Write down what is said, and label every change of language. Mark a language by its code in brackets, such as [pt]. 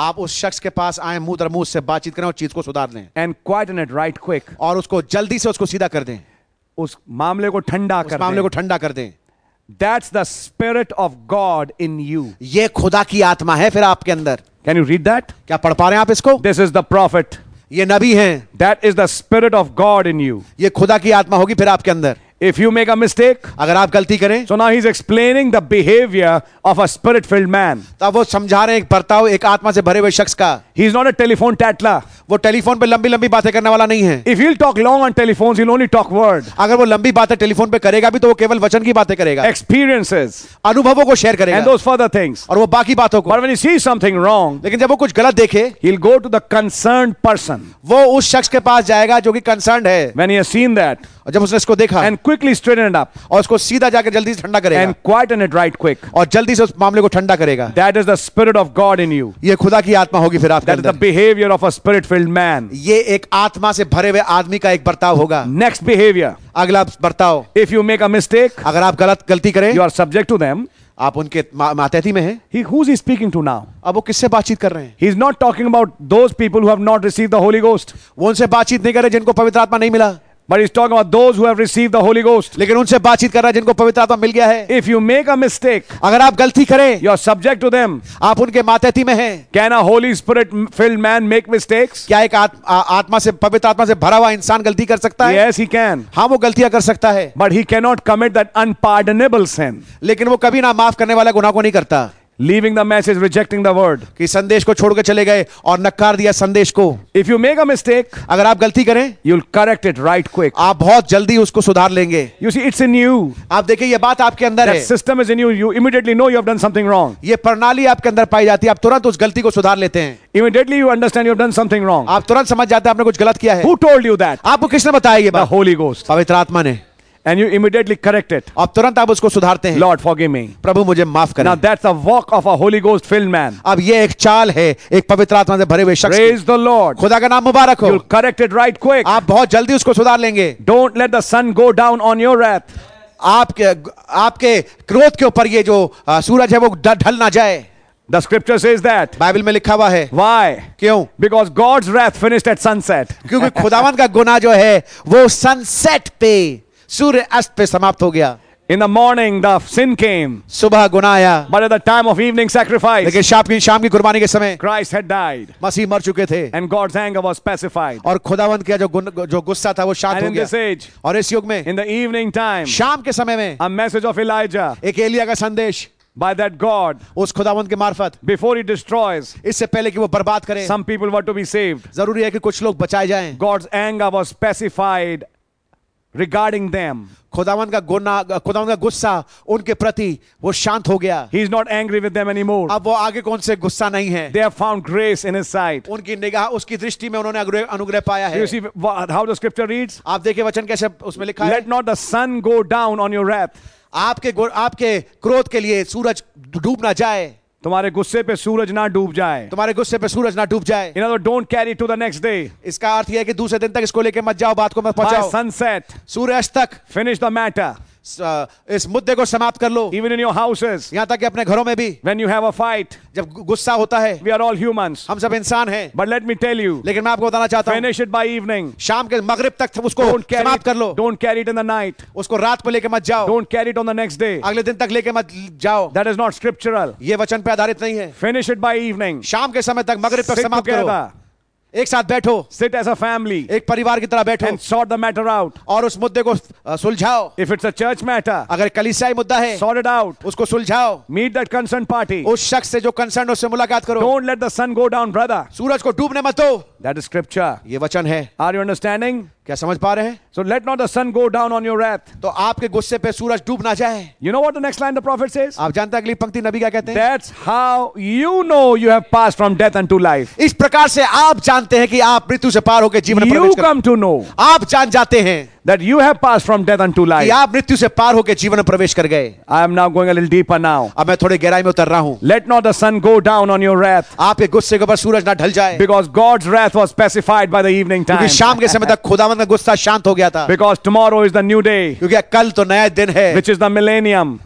[hi] आप उस शख्स के पास आए, मुंह दर मुंह से बातचीत करें और चीज को सुधार लें. [en] and quiet it right quick, [hi] और उसको जल्दी से उसको सीधा कर दें, उस मामले को ठंडा कर, मामले को ठंडा कर दें. [en] That's the spirit of God in you. [hi] ये खुदा की आत्मा है फिर आपके अंदर. [en] Can you read that? [hi] क्या पढ़ पा रहे हैं आप इसको? [en] This is the prophet. [hi] ये नबी हैं. [en] That is the spirit of God in you. [hi] ये खुदा की आत्मा होगी फिर आपके अंदर. [en] If you make a mistake, [hi] अगर आप गलती करें, [en] so now he's explaining the behavior of a spirit-filled man. [hi] तब वो समझा रहे हैं एक बर्ताव एक आत्मा से भरे हुए शख्स का. [en] He is not a telephone tattler. [hi] वो टेलीफोन पे लंबी लंबी बातें करने वाला नहीं है. [en] If he'll talk long on telephones, he'll only talk word. [hi] अगर वो लंबी बातें टेलीफोन पे करेगा भी तो वो केवल वचन की बातें करेगा. [en] Experiences, [hi] अनुभवों को शेयर करेगा. [en] And those further things, [hi] और वो बाकी बातों को. [en] But when he sees something wrong, [hi] लेकिन जब वो कुछ गलत देखे, [en] he'll go to the concerned person. [hi] वो उस शख्स के पास जाएगा जो कि concerned है. [en] When he has seen that, [hi] और जब उसने इसको देखा, [en] and quickly straightened up, [hi] और उसको सीधा जाकर जल्दी से ठंडा करेगा, [en] and quieten it right quick, [hi] और जल्दी से उस मामले को ठंडा करेगा. [en] That is the spirit of God in you. [hi] ये खुदा की आत्मा होगी फिर आपके अंदर. [en] That is the behavior of a spirit-filled man. [hi] ये एक आत्मा से भरे हुए आदमी का एक बर्ताव होगा. [en] Next behavior. [hi] अगला बर्ताव. [en] If you make a mistake, [hi] अगर आप गलत गलती करें, [en] you are subject to them. [hi] आप उनके मातहती में हैं? [en] He who's he speaking to now? [hi] अब वो किससे बातचीत कर रहे हैं? [en] He is not talking about those people who have not received the Holy Ghost. [hi] वो उनसे बातचीत नहीं कर रहे जिनको पवित्र आत्मा नहीं मिला. [en] But he's talking about those who have received the Holy Ghost. [hi] लेकिन उनसे बातचीत कर रहा है जिनको पवित्र आत्मा मिल गया है. [en] If you make a mistake, [hi] अगर आप गलती करें, [en] you are subject to them. [hi] आप उनके मातहती में हैं. [en] Can a Holy Spirit filled man make mistakes? [hi] क्या एक आत्मा से पवित्र आत्मा से भरा हुआ इंसान गलती कर सकता है? [en] Yes, he can. [hi] हाँ, वो गलतियां कर सकता है. [en] But he cannot commit that unpardonable sin. [hi] लेकिन वो कभी ना माफ करने वाला गुनाह को नहीं करता. [en] Leaving the message, rejecting the word. [hi] कि संदेश को छोड़कर चले गए और नकार दिया संदेश को. [en] If you make a mistake, [hi] अगर आप गलती करें, [en] you'll correct it right quick. [hi] आप बहुत जल्दी उसको सुधार लेंगे. [en] You see, it's in you. [hi] आप देखें, ये बात आपके अंदर है. [en] System is in you. You immediately know you have done something wrong. [hi] ये प्रणाली आपके अंदर पाई जाती है. आप तुरंत उस गलती को सुधार लेते हैं. [en] Immediately you understand you have done something wrong. [hi] आप तुरंत समझ जाते हैं आपने कुछ गलत किया है. [en] Who told you that? [hi] आपको किसने बताया ये बात? [en] The Holy Ghost. [hi] पवित्र आत्मा ने. [en] And you immediately correct it. [hi] अब तुरंत आप उसको सुधारते हैं. [en] Lord, forgive me. [hi] प्रभु मुझे माफ करें. [en] Now that's a walk of a Holy Ghost filled man. [hi] अब ये एक चाल है एक पवित्र आत्मा से भरे हुए शख्स. [en] Praise the Lord. [hi] खुदा का नाम मुबारक हो. [en] You'll correct it right quick. [hi] आप बहुत जल्दी उसको सुधार लेंगे. [en] Don't let the sun go down on your wrath. [hi] आपके क्रोध के ऊपर ये जो सूरज है वो ढल ना जाए. [en] The scripture says that. [hi] Bible में लिखा हुआ है. [en] Why? [hi] क्यों? [en] Because God's wrath finished at sunset. [hi] क्योंकि खुदावंत का गुनाह जो है वो sunset पे सूर्य अस्त पे समाप्त हो गया. [en] In the morning the sin came. [hi] सुबह गुनाह आया. [en] But at the time of evening sacrifice. [hi] लेकिन शाम की कुर्बानी के समय. [en] Christ had died. [hi] मसीह मर चुके थे. [en] And God's anger was pacified. [hi] और खुदावंत का जो गुस्सा था वो शांत हो गया. [en] In this age. [hi] और इस युग में. [en] In the evening time. [hi] शाम के समय में. [en] A message of Elijah. [hi] एक एलिया का संदेश. [en] By that God, [hi] उस खुदावंत के मार्फत, [en] before he destroys, [hi] इससे पहले कि वो बर्बाद करे, [en] some people were to be saved. [hi] जरूरी है कि कुछ लोग बचाए जाएं. [en] God's anger was pacified regarding them. [hi] खुदावंत का गुस्सा उनके प्रति वो शांत हो गया. [en] He is not angry with them anymore. [hi] अब वो आगे कौन से गुस्सा नहीं है. [en] They have found grace in his sight. [hi] उनकी निगाह उसकी दृष्टि में उन्होंने अनुग्रह पाया है. [en] You see how the scripture reads? [hi] आप देखिए वचन कैसे उसमें लिखा है. [en] Let not the sun go down on your wrath. [hi] आपके क्रोध के लिए सूरज डूब ना जाए. तुम्हारे गुस्से पे सूरज ना डूब जाए. तुम्हारे गुस्से पे सूरज ना डूब जाए. [en] In other words, don't carry to the next day. [hi] इसका अर्थ यह है कि दूसरे दिन तक इसको लेके मत जाओ, बात को मत पहुंचाओ. [en] Sunset. [hi] सूर्यास्त तक. [en] Finish the matter. [hi] इस मुद्दे को समाप्त कर लो. [en] Even in your houses. [hi] यहां तक कि अपने घरों में भी. [en] When you have a fight. [hi] जब गुस्सा होता है. [en] We are all humans. [hi] हम सब इंसान हैं. [en] But let me tell you. [hi] लेकिन मैं आपको बताना चाहता हूं. [en] Finish it by evening. [hi] शाम के मगरिब तक उसको समाप्त कर लो. [en] Don't carry it in the night. [hi] उसको रात को लेके मत जाओ. [en] Don't carry it on the next day. [hi] अगले दिन तक लेके मत जाओ. [en] That is not scriptural. [hi] ये वचन पे आधारित नहीं है. [en] Finish it by evening. [hi] शाम के समय तक मगरिब तक समाप्त करो. एक साथ बैठो. [en] Sit as a family. [hi] एक परिवार की तरह बैठो. [en] And sort the matter out. [hi] और उस मुद्दे को सुलझाओ. [en] If it's a church matter. [hi] अगर कलीसियाई मुद्दा है. [en] Sort it out. [hi] उसको सुलझाओ. [en] Meet that concerned party. [hi] उस शख्स से जो concerned है उससे मुलाकात करो. [en] Don't let the sun go down, brother. [hi] सूरज को डूबने मत दो. [en] That is scripture. [hi] ये वचन है. [en] Are you understanding? [hi] क्या समझ पा रहे हैं? [en] So let not the sun go down on your wrath. [hi] तो आपके गुस्से पे सूरज डूब ना जाए. [en] You know what the next line the prophet says? [hi] आप जानते हैं अगली पंक्ति नबी क्या कहते हैं? [en] That's how you know you have passed from death unto life. [hi] इस प्रकार से आप जानते हैं कि आप मृत्यु से पार होकर जीवन में प्रवेश कर. [en] You come to know. [hi] आप जान जाते हैं. [en] That you have passed from death unto life. [hi] कि आप मृत्यु से पार होकर जीवन में प्रवेश कर गए. [en] I am now going a little deeper now. [hi] अब मैं थोड़े गहराई में उतर रहा हूँ. [en] Let not the sun go down on your wrath. [hi] आपके गुस्से के ऊपर सूरज ना ढल जाए. [en] Because God's wrath was pacified by the evening time. [hi] क्योंकि शाम के समय तक खुदावंत का गुस्सा शांत हो गया था. [en] Because tomorrow is the new day. [hi] क्योंकि कल तो नया दिन है. [en] Which is the millennium.